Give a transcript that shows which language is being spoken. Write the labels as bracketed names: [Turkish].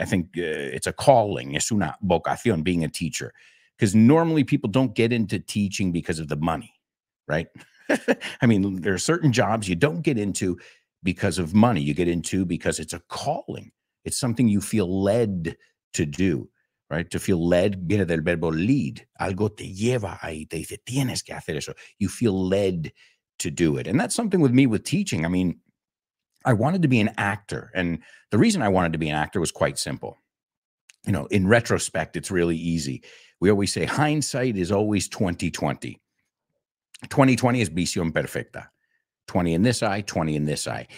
[English] I think it's a calling, [Spanish] es una vocación, [English] being a teacher. Because normally people don't get into teaching because of the money, right? I mean, there are certain jobs you don't get into because of money. You get into because it's a calling. It's something you feel led to do, right? To feel led, [Spanish] viene del verbo lead. Algo te lleva ahí, te dice, tienes que hacer eso. [English] You feel led to do it. And that's something with me with teaching. I mean, I wanted to be an actor. And the reason I wanted to be an actor was quite simple. You know, in retrospect, it's really easy. We always say hindsight is always 20/20. 20/20 is [Spanish] visión perfecta. [English] 20 in this eye, 20 in this eye.